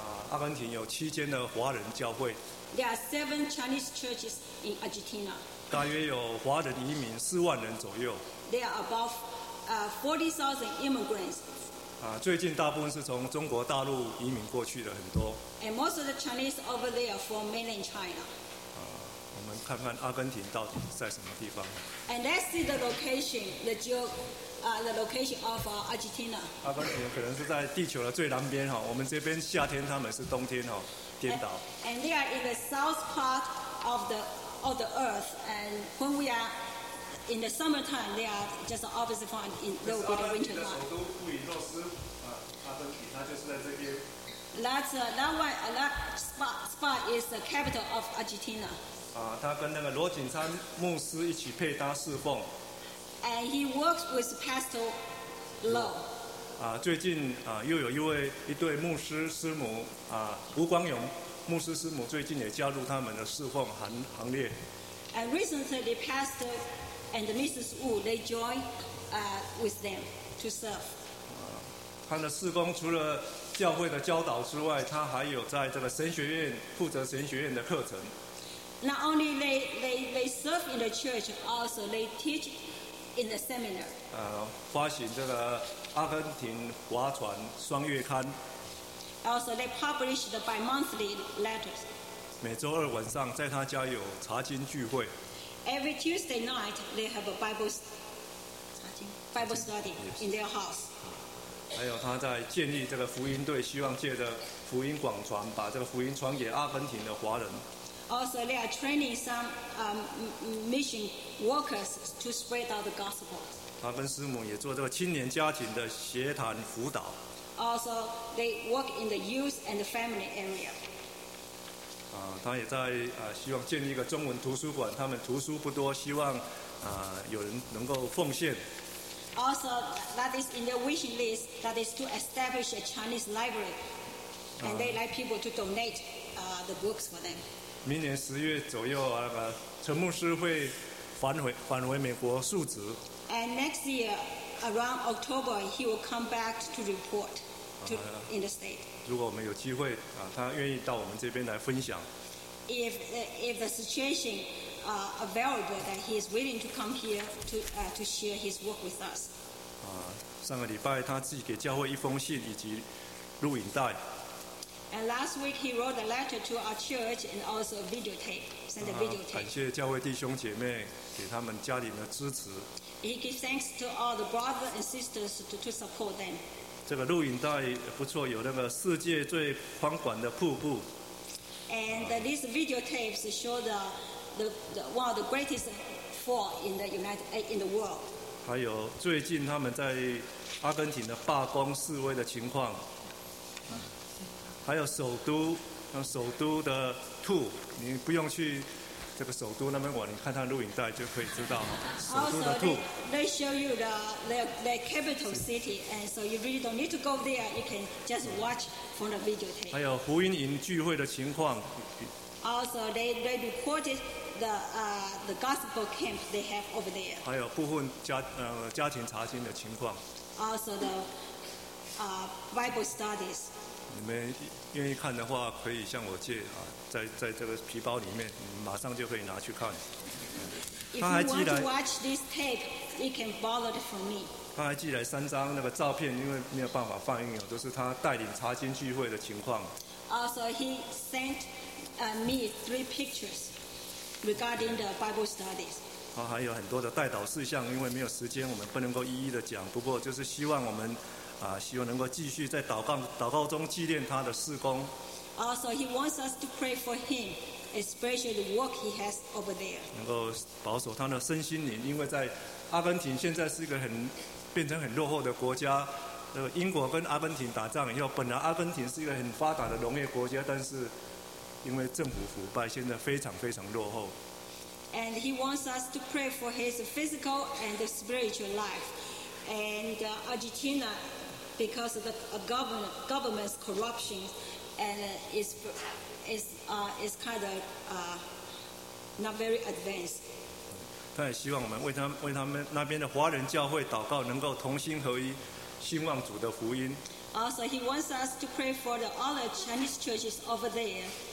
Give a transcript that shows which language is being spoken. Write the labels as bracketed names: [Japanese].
[Chinese] 阿根廷有7间的华人教会。 [English] There are 7 Chinese churches in Argentina. [Chinese] 大约有华人移民4万人左右。 [English] There are about 40,000 immigrants. [Chinese] 最近大部分是从中国大陆移民过去的很多。 [English] And most of the Chinese over there are from mainland China. [Chinese] 我们看看阿根廷到底在什么地方。 [English] And let's see the location, the location of Argentina. [Chinese] 阿根廷可能是在地球的最南边，我们这边夏天，他们是冬天，颠倒。 [English] And they are in the south part of the earth, and when we are in the summertime, they are just opposite from in the winter time. [Chinese] 阿根廷的首都布宜诺斯，阿根廷它就是在这边。 [English] That spot is the capital of Argentina. [Chinese] 他跟那个罗景山牧师一起配搭侍奉。 [English] And he works with Pastor Low. [Chinese] 最近又有一对牧师师母吴光勇牧师师母最近也加入他们的侍奉行列。 [English] And recently, Pastor and Mrs. Wu they join with them to serve. [Chinese] 他的侍奉除了教会的教导之外，他还有在这个神学院负责神学院的课程。 [English] Not only they serve in the church, also they teach in the seminar. [Chinese] 发行这个阿根廷划船双月刊。 [English] Also they publish the bi-monthly letters. [Chinese] 每周二晚上在他家有查经聚会。 [English] Every Tuesday night they have a Bible study in their house. [Chinese] 还有他在建立这个福音队，希望借着福音广传，把这个福音传给阿根廷的华人。 [English] Also, they are training some mission workers to spread out the gospel. [Chinese] 他跟师母也做这个青年家庭的协谈辅导。 [English] Also, they work in the youth and the family area. [Chinese] 他也在希望建立一个中文图书馆，他们图书不多，希望有人能够奉献。 [English] Also, that is in their wish list, that is to establish a Chinese library. And they like people to donate the books for them. [Chinese] 明年十月左右陈牧师会返回美国述职。 [English] And next year, around October, he will come back to report to, in the state. [Chinese] 如果我们有机会他愿意到我们这边来分享。 [English] If the situation available, that he is willing to come here to share his work with us. [Chinese] 上个礼拜他自己给教会一封信以及录影带。 [English] And last week he wrote a letter to our church and also a videotape, sent a videotape. [Chinese] 感谢教会弟兄姐妹给他们家庭的支持。 [English] He gives thanks to all the brothers and sisters to support them. [Chinese] 这个录影带不错，有那个世界最宽广的瀑布。 [English] And these videotapes show the one of the greatest fall in the world. [Chinese] 还有最近他们在阿根廷的罢工示威的情况，还有首都的吐，你不用去这个首都那边玩，你看他录影带就可以知道首都的吐。 [English] They show you the capital city, and so you really don't need to go there. You can just watch from the videotape. [Chinese] 还有福音营聚会的情况。 [English] Also, they reported the gospel camp they have over there. [Chinese] 还有部分家庭查经的情况。 [English] Also the Bible studies. [Chinese] 你们愿意看的话，可以向我借在这个皮包里面，你马上就可以拿去看。他还寄来 [English] watch this tape, you can borrow it from me. [Chinese] 他还寄来三张那个照片，因为没有办法放映了，都是他带领查经聚会的情况。 [English] Also, he sent me three pictures regarding the Bible studies. [Chinese] 还有很多的代祷事项，因为没有时间，我们不能够一一的讲。不过就是希望我们希望能够继续在祷告中纪念他的事工。 [English] Also, he wants us to pray for him. Especially the work he has over there. [Chinese] 能够保守他的身心灵，因为在阿根廷现在是一个变成很落后的国家。英国跟阿根廷打仗以后，本来阿根廷是一个很发达的农业国家，但是因为政府腐败，现在非常非常落后。 [English] And he wants us to pray for his physical and spiritual life. And Argentina, because of the government's corruption, and is kind of not very advanced. [Chinese] 他也希望我们为他们那边的华人教会祷告，能够同心合一，兴旺主的福音。 [English] Also, he wants us to pray for the other Chinese churches over there.